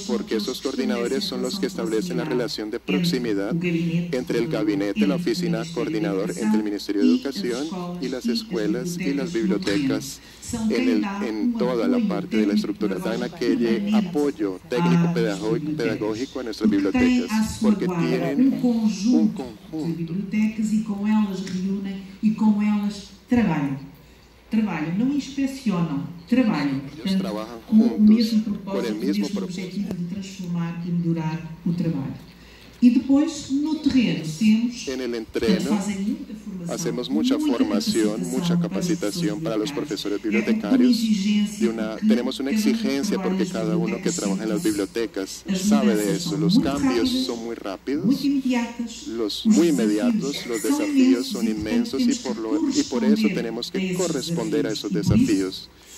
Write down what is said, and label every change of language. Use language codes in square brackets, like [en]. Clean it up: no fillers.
[es] Porque esos coordinadores son los que establecen la relación de proximidad entre el gabinete, la oficina coordinador, entre el Ministerio de Educación y las escuelas y las bibliotecas en toda la parte de la estructura. Dan aquel apoyo técnico pedagógico a nuestras bibliotecas porque tienen un conjunto de bibliotecas y con ellas reúnen y con ellas [pt] trabalham, não inspecionam, trabalham. Portanto, trabalham com o mesmo propósito, o mesmo objetivo de transformar e melhorar o trabalho. E depois no terreno temos [es] en el entreno, hacemos mucha formación, mucha capacitación para los profesores bibliotecarios. Tenemos una exigencia porque cada uno que trabaja en las bibliotecas sabe de eso. Los cambios son muy rápidos, los desafíos son inmensos y por eso tenemos que corresponder a esos desafíos.